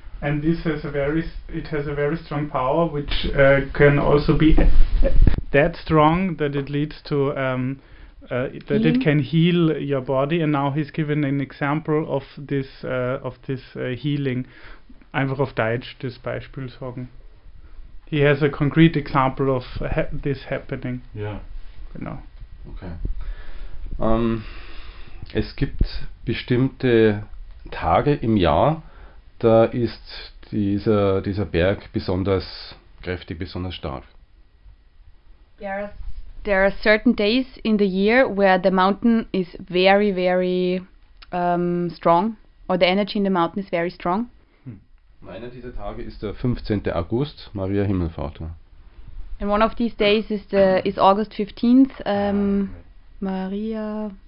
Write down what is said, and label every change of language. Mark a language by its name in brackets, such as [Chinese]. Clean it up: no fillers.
[English] And this has a very strong power, which can also be that strong that it leads to it can heal your body. And now he's given an example of this healing. [German] Einfach auf Deutsch das Beispiel sagen. [English] He has a concrete example of this happening. [German] Ja. Genau. [English] Okay. [German] Es gibt bestimmte Tage im Jahr, da ist dieser Berg besonders kräftig, besonders stark. [English] There are certain days in the year where the mountain is very, very strong, or the energy in the mountain is very strong. [German] Einer dieser Tage ist der 15. August, Maria Himmelfahrt. [English] And one of these days is August 15th, Maria